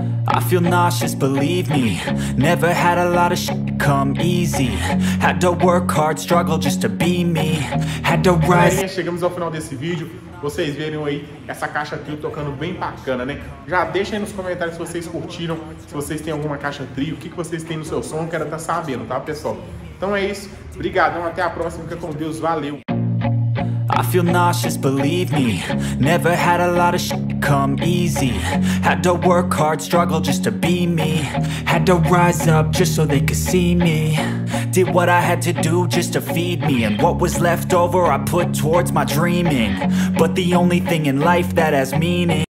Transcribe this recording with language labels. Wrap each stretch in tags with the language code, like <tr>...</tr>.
<en>I feel nauseous, believe me. Never had a lot of shit come easy. Had to work hard, struggle just to be me. Had to rise.</en> <pt>Chegamos ao final desse vídeo. Vocês viram aí essa caixa trio tocando bem bacana, né? Já deixa aí nos comentários se vocês curtiram, se vocês têm alguma caixa trio, o que vocês têm no seu som, quero estar sabendo, tá, pessoal? Então é isso. Obrigadão, até a próxima. Fica com Deus. Valeu.</pt> <en>I feel nauseous, believe me. Never had a lot of shit come easy. Had to work hard, struggle just to be me. Had to rise up just so they could see me. Did what I had to do just to feed me. And what was left over I put towards my dreaming. But the only thing in life that has meaning.</en>